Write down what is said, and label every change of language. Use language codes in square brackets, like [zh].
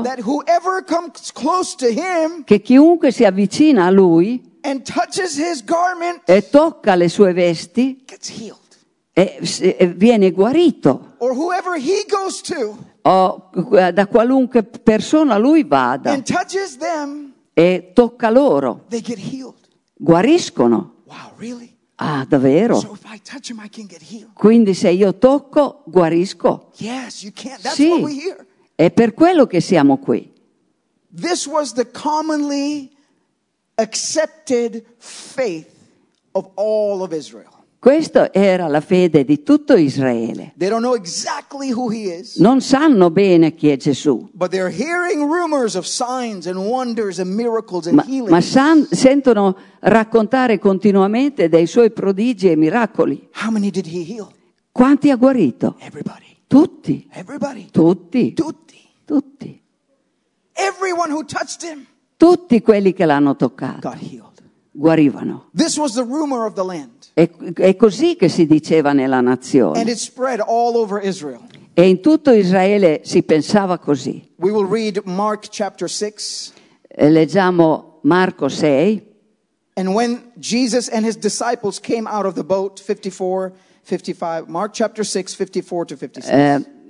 [en] that whoever comes close to him, [it] che chiunque si avvicina a lui [en] and touches his garment, [it] e tocca le sue vesti [en] gets healed. [it] e viene guarito. [en] Or whoever he goes to, [it] o da qualunque persona lui vada [en] and touches them, [it] e tocca loro, [en] they get healed. [it] Guariscono. [en] Wow, really? [it] Ah, davvero? [en] So if I touch him, I can get healed. [it] Quindi se io tocco, guarisco. [en] Yes, you can. That's [it] sì, [en] what we hear. [it] È per quello che siamo qui. [en] This was the commonly accepted faith of all of Israel. [it] Questo era la fede di tutto Israele. [en] They don't know exactly who he is. [it] Non sanno bene chi è Gesù. [en] But they're hearing rumors of signs and wonders and miracles and healings. [it] Ma sentono raccontare continuamente dei suoi prodigi e miracoli. [en] How many did he heal? [it] Quanti ha guarito? [en] Everybody. [it] Tutti. [en] Everybody. [it] Tutti. Tutti. Tutti. [en] Everyone who touched him. [it] Tutti quelli che l'hanno toccato. [en] Got healed. [it] Guarivano. [en] This was the rumor of the land. [it] È così che si diceva nella nazione. [en] And it spread all over Israel. [it] E in tutto Israele si pensava così. [en] We will read Mark chapter 6. [it] Leggiamo Marco 6. [en] And when Jesus and his disciples came out of the boat, 54, 55, Mark chapter 6, 54 to 56.